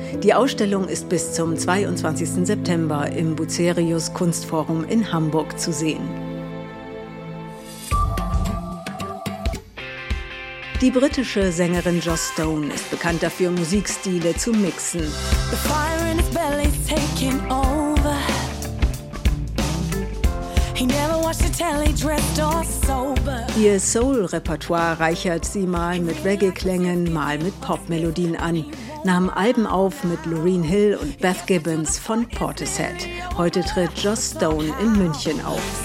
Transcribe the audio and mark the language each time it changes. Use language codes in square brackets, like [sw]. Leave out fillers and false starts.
[de] Die Ausstellung ist bis zum 22. September im Bucerius Kunstforum in Hamburg zu sehen. Die britische Sängerin Joss Stone ist bekannt dafür, Musikstile zu mixen. [en] The fire in his belly is taking over. He never watched the telly, dressed or sober. [de] Ihr Soul-Repertoire reichert sie mal mit Reggae-Klängen, mal mit Pop-Melodien an. Nahm Alben auf mit Loreen Hill und Beth Gibbons von Portishead. Heute tritt Joss Stone in München auf.